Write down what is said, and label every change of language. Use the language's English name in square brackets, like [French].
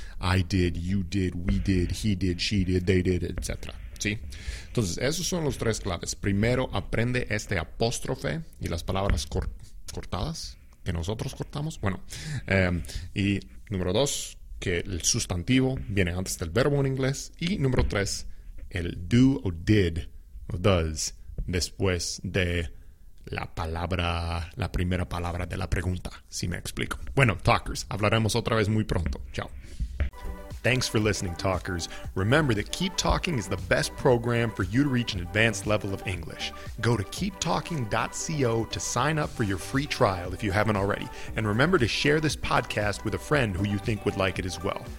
[English] I did, you did, we did, he did, she did, they did, etc. [Spanish] ¿Sí? Entonces, esos son los tres claves. Primero, aprende este apóstrofe y las palabras cortadas que nosotros cortamos. Bueno, y número dos, que el sustantivo viene antes del verbo en inglés. Y número tres, el do o did o does después de la primera palabra de la pregunta, si me explico. Bueno, talkers, hablaremos otra vez muy pronto. Chao. [English] Thanks for listening, talkers. Remember that Keep Talking is the best program for you to reach an advanced level of English. Go to keeptalking.co to sign up for your free trial if you haven't already. And remember to share this podcast with a friend who you think would like it as well.